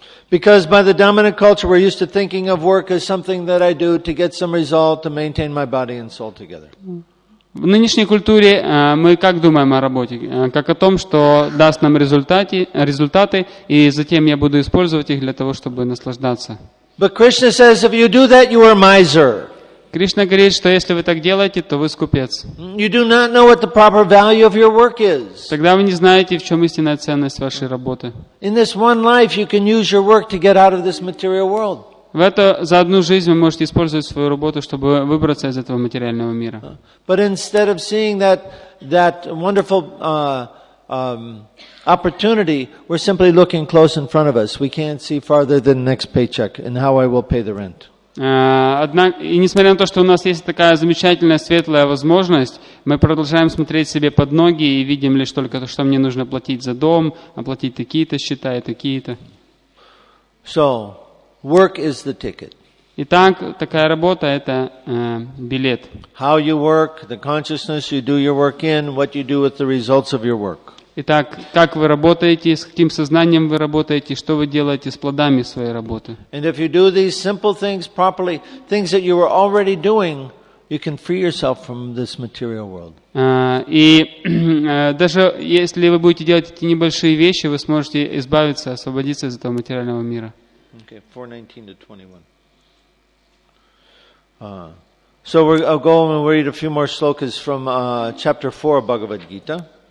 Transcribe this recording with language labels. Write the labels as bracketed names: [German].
[English] Because by the dominant culture, we're used to thinking of work as something that I do to get some result, to maintain my body and soul together. [Russian] В нынешней культуре мы как думаем о работе? Как о том, что даст нам результаты, и затем я буду использовать их для того, чтобы наслаждаться. [English] But Krishna says, if you do that, you are a miser. [Russian] Кришна говорит, что если вы так делаете, то вы скупец. [English] You do not know what the proper value of your work is. [Russian] Тогда вы не знаете, в чем истинная ценность вашей работы. [English] In this one life, you can use your work to get out of this material world. [Russian] В это за одну жизнь вы можете использовать свою работу, чтобы выбраться из этого материального мира. [English] But instead of seeing that wonderful opportunity, we're simply looking close in front of us. We can't see farther than the next paycheck and how I will pay the rent. [Russian] И несмотря на то, что у нас есть такая замечательная, светлая возможность, мы продолжаем смотреть себе под ноги и видим лишь только то, что мне нужно платить за дом, оплатить такие-то счета и такие-то. [English] So, work is the ticket. [Russian] Итак, такая работа – это билет. [English] How you work, the consciousness you do your work in, what you do with the results of your work. [Russian] Итак, как вы работаете, с каким сознанием вы работаете, что вы делаете с плодами своей работы. [English] And if you do these simple things properly, things that you were already doing, you can free yourself from this material world. [Russian] Даже если вы будете делать эти небольшие вещи, вы сможете избавиться, освободиться из этого материального мира. [English] Okay, 419 to 21. So I'll go and read a few more slokas from chapter 4 of Bhagavad Gita.